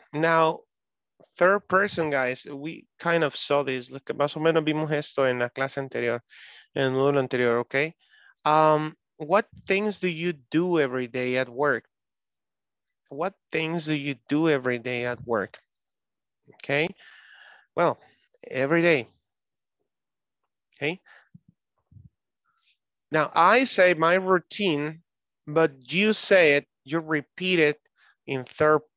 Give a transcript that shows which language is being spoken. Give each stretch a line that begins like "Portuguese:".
English: Now, third person, guys, we kind of saw this.
Spanish: Look, más o menos vimos esto en la clase anterior, en el módulo anterior, okay?
English: What things do you do every day at work? What things do you do every day at work? Okay? Well, every day. Okay? Now, I say my routine, but you say it, you repeat it in third person.